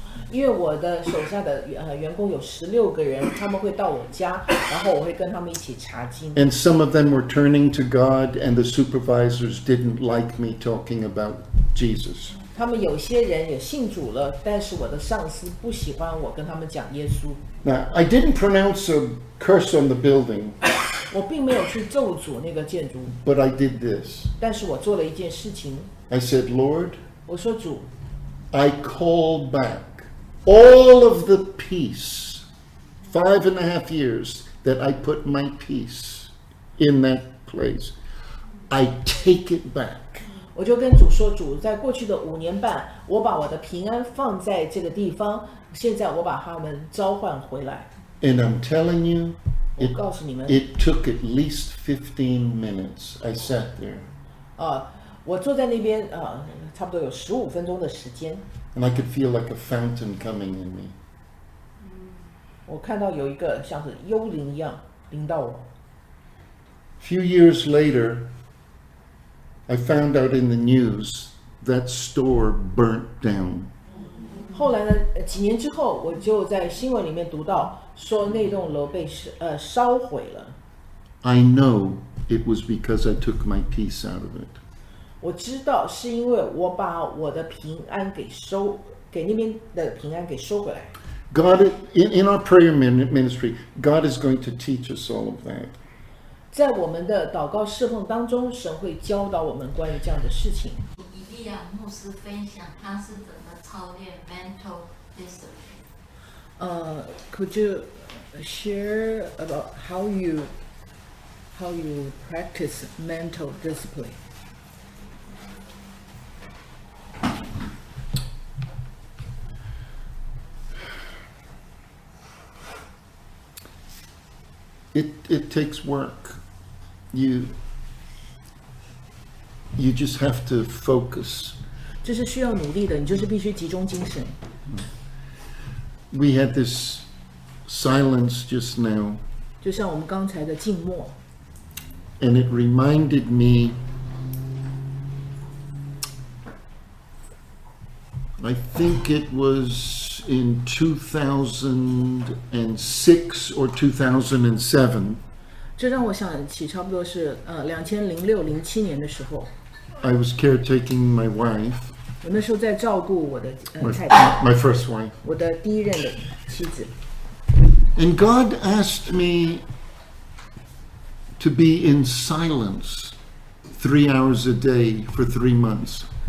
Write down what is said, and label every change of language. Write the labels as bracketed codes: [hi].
[zh] 因为我的手下的员工有16个人他们会到我家然后我会跟他们一起查经。 [en] And some of them were turning to God and the supervisors didn't like me talking about Jesus. [zh] 他们有些人也信主了但是我的上司不喜欢我跟他们讲耶稣。 [en] Now, I didn't pronounce a curse on the building. [zh] 我并没有去咒诅那个建筑。 [en] But I did this. [zh] 但是我做了一件事情。 [en] I said, Lord. [zh] 我说主。 [en] I call back all of the peace, 5.5 years that I put my peace in that place. I take it back. [zh] 我就跟主说主，在过去的五年半，我把我的平安放在这个地方，现在我把他们召唤回来。 [en] And I'm telling you, It took at least 15 minutes. I sat there. [zh] 我坐在那边差不多有15分钟的时间。 [en] And I could feel like a fountain coming in me. [zh] 我看到有一个像是幽灵一样临到我。 [en] Few years later, I found out in the news that store burnt down. [zh] 后来呢，几年之后，我就在新闻里面读到。说那栋楼被烧毁了。 [en] I know it was because I took my peace out of it. [zh] 我知道是因为我把我的平安给那边的平安给收回来。 [en] God, in our prayer ministry, God is going to teach us all of that. [zh] 在我们的祷告侍奉当中，神会教导我们关于这样的事情。以利亚牧师分享他是怎么操练 mental discipline。 [en] Could you share about how you practice mental discipline? It takes work. You just have to focus. [zh] 这是需要努力的，你就是必须集中精神。 [en] We had this silence just now. [zh] 就像我们刚才的静默。 [en] and it reminded me, I think it was in 2006 or 2007. [zh] 这让我想起差不多是2006-07年的时候。 [en] I was caretaking my wife. [zh] 我那时候在照顾我的太 [en] 太。My first wife. [zh] 我的第一任的妻子。 [en] And God asked me to be in silence 3 hours a day for 3 months.